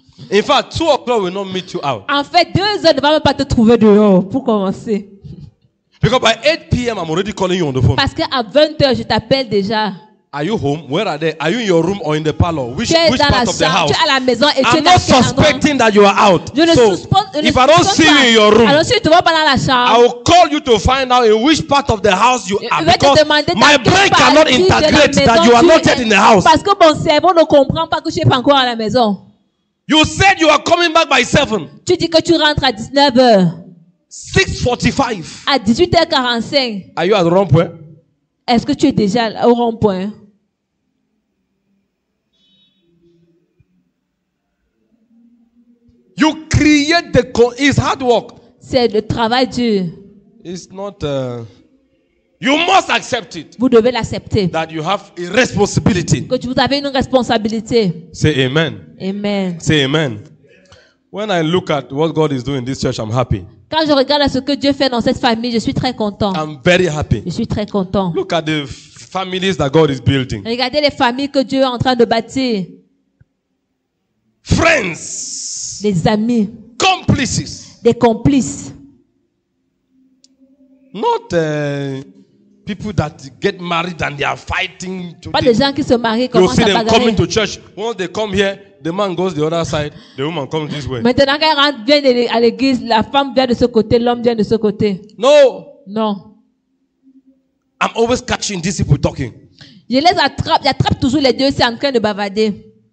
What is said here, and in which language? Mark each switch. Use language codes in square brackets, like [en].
[en] In fact, 2 o'clock will not meet you out. [fr] En fait, 2 heures ne va même pas te trouver dehors pour commencer. [en] Because by 8 p.m. I'm already calling you on the phone. [fr] Parce que à 20 heures, je t'appelle déjà. [en] Are you home? Where are they? Are you in your room or in the parlor? Which part of the house? [fr] Tu es à la maison et [en] I'm not suspecting that you are out. If I don't see you in your room, [fr] alors, si tu vas pas dans la chambre, [en] I will call you to find out in which part of the house you are. Because my brain cannot integrate that you are not yet in the house. [fr] Parce que mon cerveau ne comprend pas que je suis pas encore à la maison. [en] You said you are coming back by 7. [fr] Tu dis que tu rentres à 19h. [en] 6:45. [fr] À 18h45. [en] Are you at the wrong point? [fr] Est-ce que tu es déjà au rond-point? [en] You create the it's hard work. [fr] C'est le travail dur. [en] It's not you must accept it. [fr] Vous devez l'accepter. [en] That you have a responsibility. [fr] Que vous avez une responsabilité. [en] Say amen. [fr] Amen. [en] Say amen. When I look at what God is doing in this church, I'm happy. [fr] Quand je regarde à ce que Dieu fait dans cette famille, je suis très content. [en] I'm very happy. [fr] Je suis très content. [en] Look at the families that God is building. [fr] Regardez les familles que Dieu est en train de bâtir. [en] Friends. [fr] Des amis. Complices. Des complices. [en] Not people that get married and they are fighting. Today. [fr] Pas des gens qui se marient comme ça. [en] You'll see them coming to church. Once they come here, the man goes the other side, the woman comes this way. [fr] Maintenant qu'elle rentre, vient à l'église, la femme vient de ce côté, l'homme vient de ce côté. [en] No. [fr] Non. [en] I'm always catching these people talking. [fr] Je les attrape, j'attrape toujours les deux, c'est en train de bavarder.